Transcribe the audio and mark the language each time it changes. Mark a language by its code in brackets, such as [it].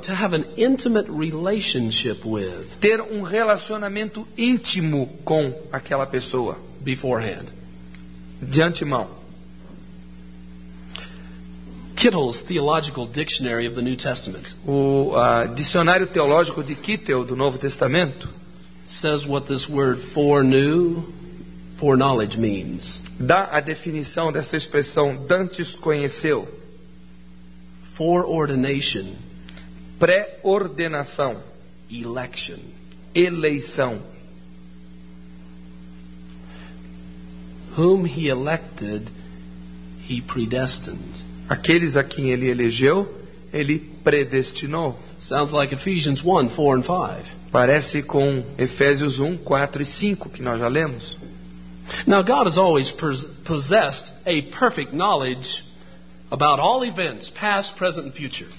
[en] To have an intimate relationship with. [pt] Ter um relacionamento íntimo com aquela pessoa. [en] Beforehand. [pt] De antemão. [en] Kittel's Theological Dictionary of the New Testament. [pt] O dicionário teológico de Kittel do Novo Testamento [en] says what this word foreknew, foreknowledge means. [pt] Dá a definição dessa expressão dantes conheceu. [en] Foreordination, [pt] pré-ordenação. [en] Election, [pt] eleição. [en] Whom he elected, he predestined. [pt] Aqueles a quem ele elegeu, ele predestinou. [en] Sounds like Ephesians 1, 4 and 5. [pt] Parece com Efésios 1, 4 e 5 que nós já lemos. [en] Now God has always possessed a perfect knowledge about all events, past, present and future.